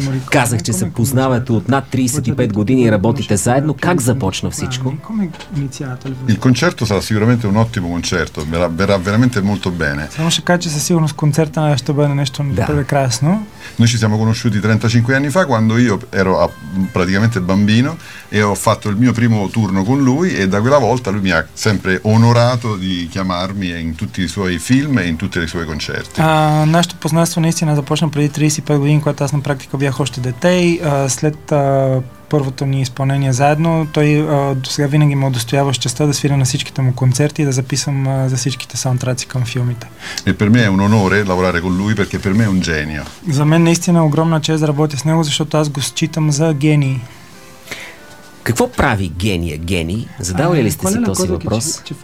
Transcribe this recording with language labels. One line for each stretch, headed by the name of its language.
Bulgarian: Казах, че се познавате от над 35 години и работите заедно. Как започна всичко?
Italian: Il concerto sarà sicuramente un ottimo concerto, verrà veramente molto bene.
Bulgarian: Само ще кажа, че със сигурност концерта ще бъде нещо прекрасно.
Italian: Noi ci siamo conosciuti 35 anni fa, quando io ero praticamente bambino e ho fatto il mio primo turno con lui e da quella volta lui mi ha sempre onorato di chiamarmi in tutti i suoi film e in tutti i suoi concerti.
Bulgarian: Нашето познанство наистина започна преди 35 години, когато аз на практика бях още дете. След първото ни изпълнение заедно, той до сега винаги ме удостоява честа да свиря на всичките му концерти и да записам за всичките саундтраци към филмите.
Italian: E per me è un onore lavorare con lui perché per me è un genio.
Bulgarian: За мен наистина е огромна чест да работя с него, защото аз го считам за гений. Какво прави гения гений? Задавали ли сте си този въпрос?